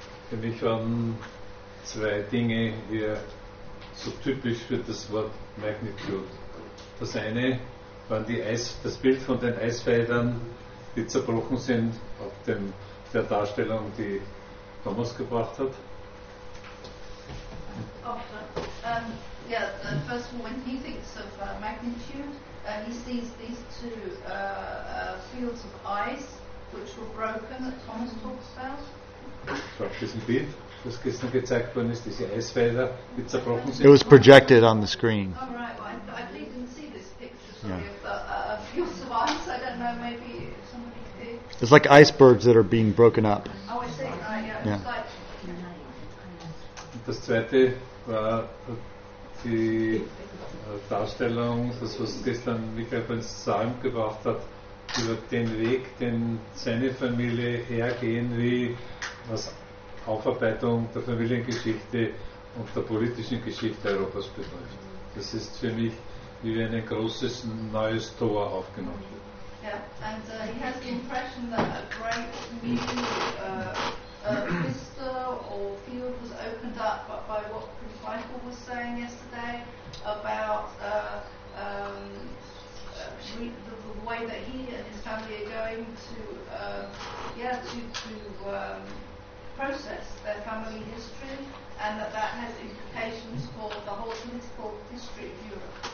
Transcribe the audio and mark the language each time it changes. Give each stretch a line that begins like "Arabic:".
German: Für mich waren zwei Dinge hier so typisch für das Wort Magnitude. Das eine waren die das Bild von den Eisfeldern, die zerbrochen sind, auf dem der Darstellung, die Thomas gebracht hat.
English: The first one, when he thinks of magnitude, he sees these two fields of ice which were broken that Thomas talks about.
German: Auf diesem Bild, das gestern gezeigt worden ist, diese Eisfelder, die zerbrochen sind.
English: It was projected on the screen. Oh, right. Well, I didn't see this picture. Sorry, yeah. Of the fields of ice. I don't know, maybe somebody could. It's like icebergs that are being broken up. Oh, I see. Right, yeah. Yeah.
German: Das zweite war die Darstellung, das was gestern Michael von Salm gebracht hat, über den Weg, den seine Familie hergehen will, was Aufarbeitung der Familiengeschichte und der politischen Geschichte Europas betrifft. Das ist für mich wie ein großes neues Tor aufgenommen wird.
English: Yeah, and he has the impression that a great new vista or field was opened up by what Michael was saying yesterday about the way that he and his family are going to process their family history, and that has implications for the whole political history of Europe.